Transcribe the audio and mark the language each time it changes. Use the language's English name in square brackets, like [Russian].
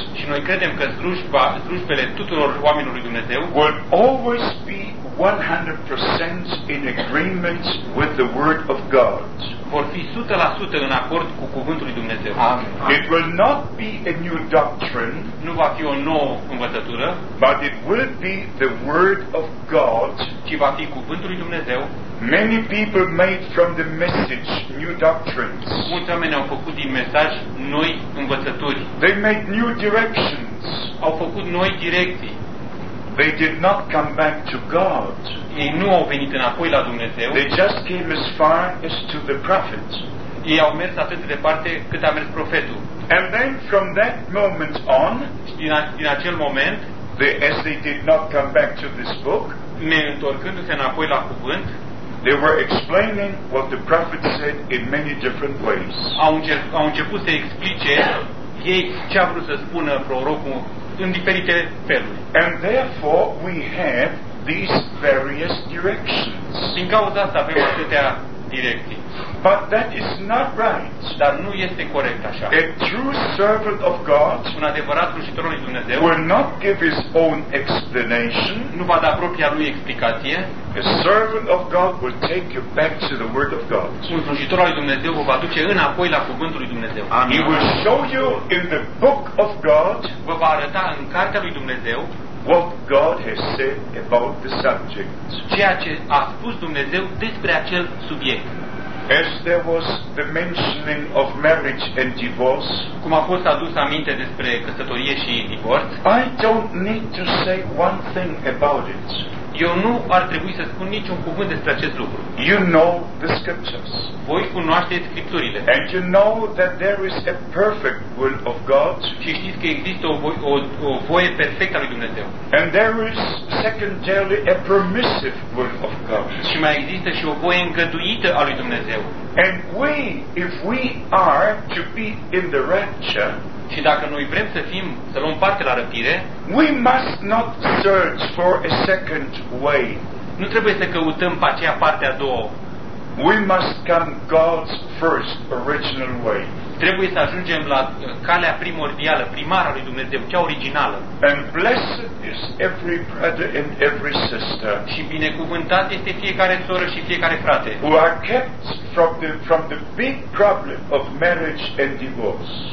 [Romanian] Și noi credem că slujbele tuturor oamenilor lui Dumnezeu [English] will always be 100% in agreement with the word of God. [Romanian] Vor fi 100% în acord cu cuvântul lui Dumnezeu. [English] It will not be a new doctrine. [Romanian] Nu va fi o nouă învățătură. [English] But it will be the word of God. [Romanian] Ci va fi cuvântul lui Dumnezeu. [English] Many people made from the message new doctrines. [Romanian] Mulți oameni au făcut din mesaj noi învățături. [English] They made new directions. [Romanian] Au făcut noi direcții. [English] They did not come back to God. [Romanian] Ei nu au venit înapoi la Dumnezeu. [English] They just came as far as to the prophets. [Romanian] Ei au mers atât de departe cât a mers profetul. [English] And then from that moment on, [Romanian] din acel moment, [English] as they did not come back to this book, [Romanian] neîntorcându-se înapoi la cuvânt, [English] they were explaining what the prophet said in many different ways. [Romanian] Au început să explice ei ce a vrut să spună prorocul în diferite feluri. [English] And therefore we have these various directions. [Romanian] Din cauza asta avem atâtea direcții. [English] But that is not right. [Romanian] Dar nu este corect așa. [English] A true servant of God, [Romanian] un adevărat slujitor al lui Dumnezeu, [English] will not give his own explanation. [Romanian] Nu va da propria lui explicație. [English] A servant of God will take you back to the word of God. [Romanian] Un slujitor al lui Dumnezeu vă va duce înapoi la cuvântul lui Dumnezeu. [English] Amen. He will show you in the book of God. [Romanian] Vă va arăta în cartea lui Dumnezeu [English] what God has said about the subject. [Romanian] Ceea ce a spus Dumnezeu despre acel subiect. [English] As there was the mentioning of marriage and divorce, [Romanian] cum a fost adus aminte despre căsătorie și divorț, [English] I don't need to say one thing about it. [Romanian] Eu nu ar trebui să spun niciun cuvânt despre acest lucru. [English] You know the scriptures. [Romanian] Voi cunoașteți scripturile. [English] And you know that there is a perfect will of God. [Romanian] Și știți că există o voie perfectă a lui Dumnezeu. [English] And there is secondarily a permissive will of God. [Romanian] Și mai există și o voie îngăduită a lui Dumnezeu. [English] And we, if we are to be in the rapture, [Romanian] și dacă noi vrem să fim, să luăm parte la răpire, [English] we must not search for a second way. [Romanian] Nu trebuie să căutăm pe aceea parte a doua. [English] We must come God's first original way. [Romanian] Trebuie să ajungem la calea primordială, primară a lui Dumnezeu, cea originală. [English] And blessed is every brother and every sister. [Romanian] Și binecuvântat este fiecare soră și fiecare frate. [English] Who are kept from the big problem of marriage and divorce.